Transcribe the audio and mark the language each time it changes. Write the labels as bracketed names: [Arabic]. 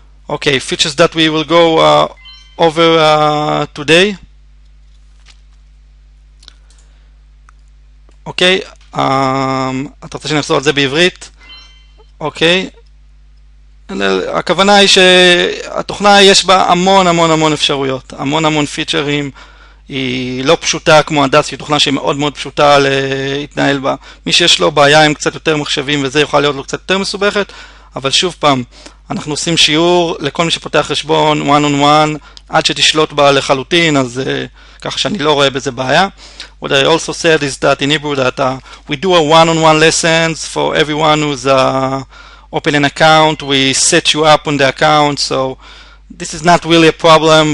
[English] Okay, features that we will go over today. [Hebrew] Okay, אתה רוצה שנחזור על זה בעברית? אוקיי, הכוונה היא שהתוכנה יש בה המון המון המון אפשרויות, המון המון פיצ'רים. היא לא פשוטה כמו הדס, היא תוכנה שהיא מאוד מאוד פשוטה להתנהל בה. מי שיש לו בעיה עם קצת יותר מחשבים וזה יוכל להיות לו קצת יותר מסובכת, אבל שוב פעם, אנחנו עושים שיעור לכל מי שפותח חשבון [English] one on one [Hebrew] עד שתשלוט בה לחלוטין, אז כך שאני לא רואה בזה בעיה. [English] What I also said is that in Hebrew that we do a one-on-one lessons for everyone who's opening an account. We set you up on the account, so this is not really a problem.